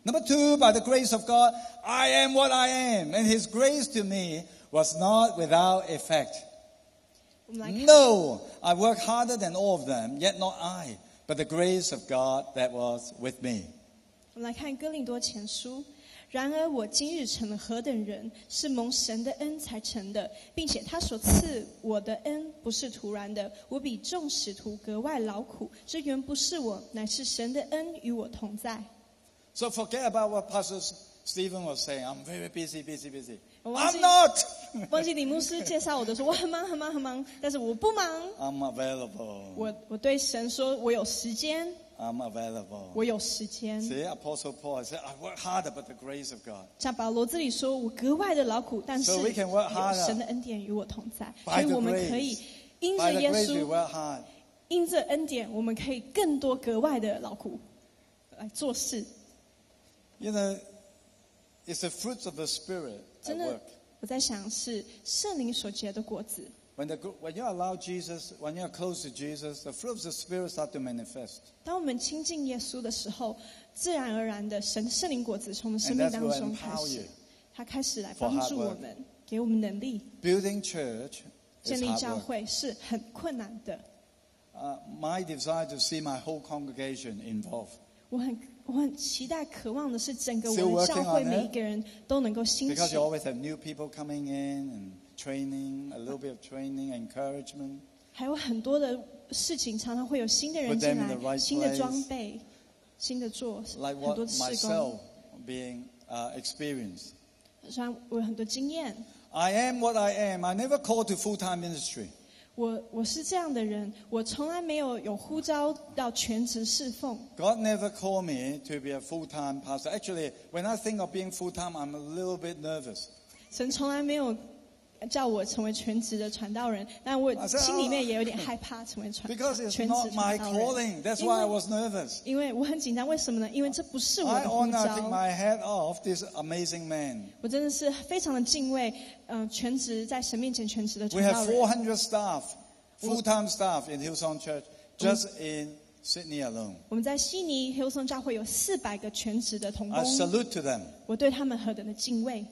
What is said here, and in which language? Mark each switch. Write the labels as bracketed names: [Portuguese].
[English] Number two, by the grace of God, I am what I am, and His grace to me was not without effect. No, I work harder than all of them, yet not I, but the grace of God that was with me. [Chinese] 我们来看哥林多前书。然而我今日成了何等人，是蒙神的恩才成的，并且他所赐我的恩不是徒然的，我比众使徒格外劳苦，这原不是我，乃是神的恩与我同在。 [English] So forget about what Pastor Stephen was saying. I'm very busy, busy, busy. I'm not. [Chinese] 忘记李牧师介绍我的时候，我很忙很忙很忙，但是我不忙。 [English] I'm available. [Chinese] 我对神说，我有时间。 [English] I'm available. [Chinese] 我有时间。 [English] See, Apostle Paul said, "I work harder, but the grace of God." [Chinese] 像保罗这里说，我格外的劳苦，但是 [English] ，so we can work harder. [Chinese] 神的恩典与我同在，所以我们可以因着耶稣， [English] by the grace we work hard. [Chinese] 因着恩典，我们可以更多格外的劳苦来做事。 [English] You know, it's the fruits of the Spirit. [Chinese] 真的，我在想是圣灵所结的果子。 [English] When you allow Jesus, when you are close to Jesus, the fruit of the Spirit start to manifest. [Chinese] 当我们亲近耶稣的时候，自然而然的神圣灵果子从我们生命当中开始，他开始来帮助我们，给我们能力。 [English] Building church, [Chinese] 建立教会是很困难的。 [English] My desire to see my whole congregation involved. [Chinese] 我很期待渴望的是整个我们教会每一个人都能够兴起。 [English] Because you always have new people coming in and training, a little bit of training, encouragement. [Chinese] 还有很多的事情常常会有新的人进来，新的装备，新的做，很多事工。 [English] Like myself being experienced. [Chinese] 虽然我有很多经验。 [English] I am what I am. I never called to full-time ministry. [Chinese] 我是这样的人，我从来没有有呼召到全职侍奉。 [English] God never called me to be a full-time pastor. Actually, when I think of being full-time, I'm a little bit nervous. [Chinese] 神从来没有叫我成为全职的传道人，但我心里面也有点害怕成为全职传道人。 [English] That's why I was nervous. [Chinese] 因为我很紧张，为什么呢？因为这不是我的呼召。 [English] I honored my head off this amazing man. [Chinese] 我真的是非常的敬畏，全职在神面前全职的传道人。 [English] We have 400 staff, full-time staff in Hillsong Church, just in Sydney alone. [Chinese] 我们在悉尼 Hillsong 教会有400个全职的同工。 [English] I salute to them. [Chinese] 我对他们何等的敬畏。